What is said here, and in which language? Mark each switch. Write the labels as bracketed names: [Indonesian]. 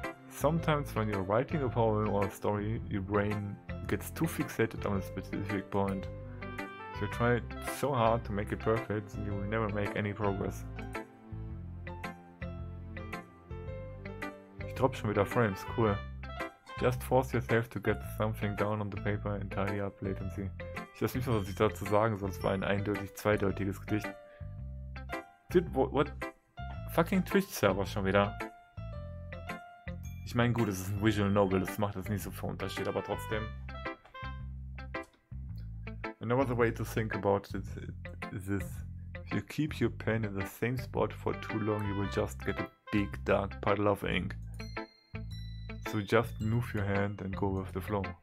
[English] Sometimes when you're writing a poem or a story, your brain gets too fixated on a specific point. If you try so hard to make it perfect, you will never make any progress. [German] Ich drop schon wieder Frames, cool. [English] Just force yourself to get something down on the paper and tidy up latency. [German] Ich weiß nicht, was ich dazu sagen soll, es war ein eindeutig zweideutiges Gedicht. [English] Dude, what? [German] Fucking Twitch-Server schon wieder. Ich meine, gut, es ist ein Visual Novel, das macht jetzt nicht so viel Unterschied, aber trotzdem. [English] Another way to think about it is this. If you keep your pen in the same spot for too long, you will just get a big dark puddle of ink. So just move your hand and go with the flow.